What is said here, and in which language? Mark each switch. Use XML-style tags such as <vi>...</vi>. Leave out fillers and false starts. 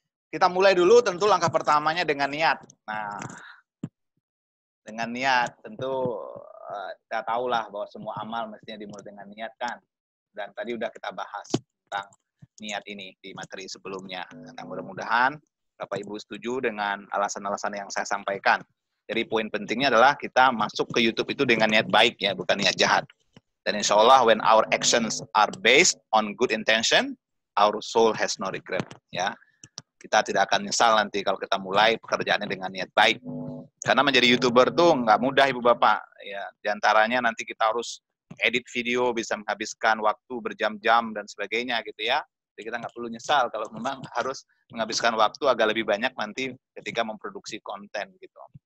<id>Kita mulai dulu tentu langkah pertamanya dengan niat. Nah, dengan niat tentu kita tahulah bahwa semua amal mestinya dimulai dengan niat kan. Dan tadi udah kita bahas tentang niat ini di materi sebelumnya. Nah, mudah-mudahan Bapak Ibu setuju dengan alasan-alasan yang saya sampaikan. Jadi poin pentingnya adalah kita masuk ke YouTube itu dengan niat baik ya, bukan niat jahat. Dan insya Allah</id> <en>when our actions are based on good intention, our soul has no regret.</en> <id>Ya, kita tidak akan nyesal nanti kalau kita mulai pekerjaannya dengan niat baik. Karena menjadi YouTuber tuh nggak mudah Ibu Bapak. Ya, diantaranya nanti kita harus edit video, bisa menghabiskan waktu berjam-jam dan sebagainya gitu ya. Jadi kita nggak perlu nyesal kalau memang harus menghabiskan waktu agak lebih banyak nanti ketika memproduksi konten gitu.</id>